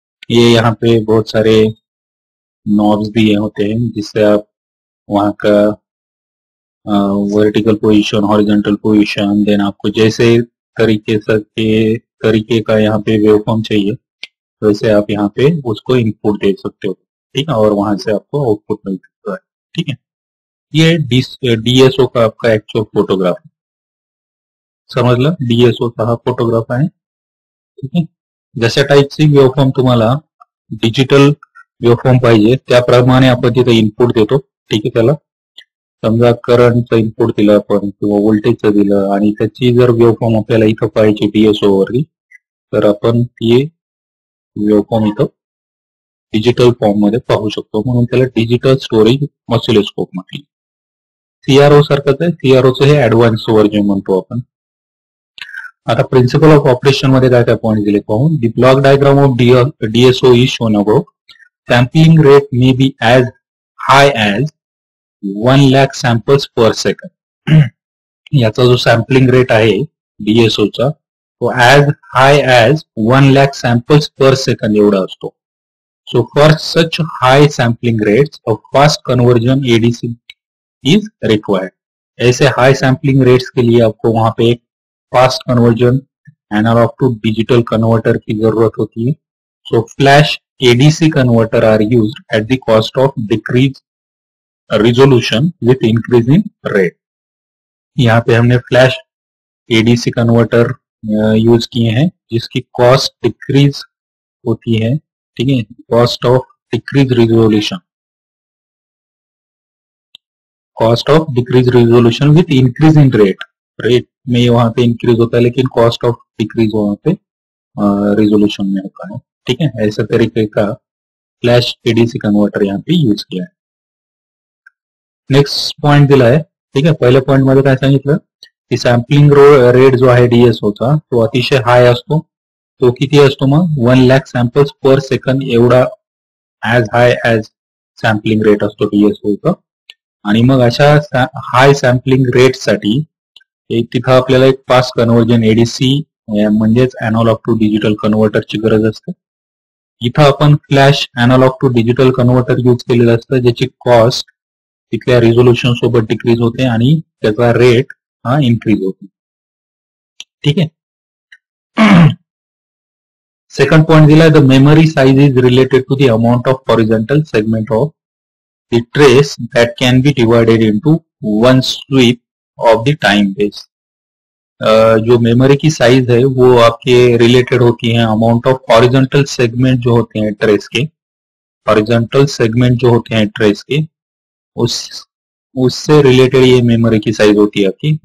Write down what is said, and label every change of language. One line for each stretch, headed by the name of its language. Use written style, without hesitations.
Hindi: ये यहाँ पे बहुत सारे नॉब्स दिए होते हैं जिससे आप वहां का vertical position, horizontal position, then आपको जैसे तरीके का यहाँ पे वेवफॉर्म चाहिए वैसे आप यहाँ पे उसको इनपुट दे सकते हो, ठीक है? और वहां से आपको आउटपुट मिल सकता है, ठीक है? ये डीएसओ का आपका एक्चुअल फोटोग्राफ है, समझ लो डीएसओ का फोटोग्राफ है, ठीक है?
Marathi: जैसे टाइप सी वेवफॉर्म तुम्हाला डिजिटल वेवफॉर्म पाहिजे त्याप्रमाणे आपण तिथे इनपुट देतो, ठीक है? त्याला समजा करंटचं इनपुट दिलं आपण किंवा व्होल्टेजचं दिलं, आणि त्याची जर वेवफॉर्म आपल्याला इथं पाहिजे डीएसओ वरती, तर आपण ती वेवफॉर्म इथं डिजिटल फॉर्म मध्ये पाहू शकतो, म्हणून त्याला डिजिटल स्टोरेज ऑसिलोस्कोप म्हटलं. सीआरओ सारखंच आहे, सीआरओचं हे ऍडव्हान्स वर्जन म्हणतो आपण. आता प्रिन्सिपल ऑफ ऑपरेशन मध्ये काय काय पॉइंट दिले पाहून,
English: The block diagram of DSO is shown above, sampling rate may be as high as 1 lakh samples per second.
Marathi: याचा जो सॅम्पलिंग रेट आहे डीएसओचा, तो age hi as 1 lakh samples पर सेकंड एवढा असतो.
English: So for such high sampling rate a fast conversion ADC is required.
Hindi: ऐसे हाय sampling rates के लिए आपको वहां पे एक fast conversion analogue to digital converter की जरूरत होती है.
English: So flash ADC converter are use at the cost of decrease resolution with increasing rate.
Hindi: यहाँ पे हमने फ्लैश एडीसी कन्वर्टर यूज किए हैं जिसकी कॉस्ट डिक्रीज होती है, ठीक है? Cost of decrease resolution, cost of decrease resolution with increase in rate, rate में वहां पे इंक्रीज होता है लेकिन कॉस्ट ऑफ डिक्रीज वहां पे रेजोल्यूशन में होता है, ठीक है। ऐसे तरीके का फ्लैश एडीसी कन्वर्टर यहाँ पे यूज किया है। नेक्स्ट पॉइंट दिला है, ठीक है।
Marathi: पहले पॉइंट मध्ये काय सांगितलं की सॅम्पलिंग रेट जो आहे डीएस होता तो अतिशय हाय असतो, तो किती असतो मग 1 लाख सॅम्पल्स पर सेकंड एवढा ऍज हाय ऍज सॅम्पलिंग रेट असतो डीएस होता। आणि मग अशा हाय सॅम्पलिंग रेट साठी तिथं आपल्याला एक फास्ट कन्वर्जन एडीसी म्हणजेच अॅनालॉग टू डिजिटल कन्व्हर्टरची गरज असते। इथं आपण flash analogue to digital converter use केलेलं असतं ज्याची कॉस्ट तिथल्या रेझोल्युशन सोबत डिक्रीज होते आणि त्याचा रेट हा इन्क्रीज होतो, ठीक आहे। सेकंड पॉइंट दिला
English: The memory size is related to the amount of horizontal segment of the trace that can be divided into one sweep of the time base.
Hindi: जो memory की size है वो आपके related होती है amount of horizontal segment जो होते हैं ट्रेस के, हॉरिजॉन्टल सेगमेंट जो होते हैं ट्रेस के उससे रिलेटेड ये मेमोरी की साइज होती है आपकी।